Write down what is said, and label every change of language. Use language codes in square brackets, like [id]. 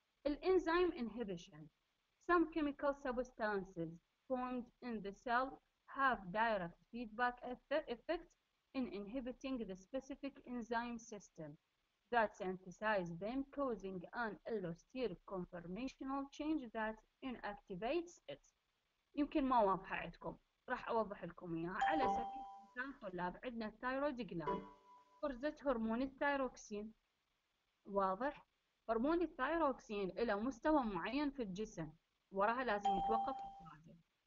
[en] الإنزيم inhibition. Some chemical substances formed in the cell have direct feedback effect in inhibiting the specific enzyme system. that sensitize them, causing an allosteric conformational change that inactivates it. [ar] يمكن ما واضحة عندكم، راح أوضح لكم إياها. على سبيل المثال طلاب، عندنا الثايرويد جلاند فرزة هرمون الثايروكسين، واضح؟ هرمون الثايروكسين إلى مستوى معين في الجسم وراها لازم يتوقف الراجل.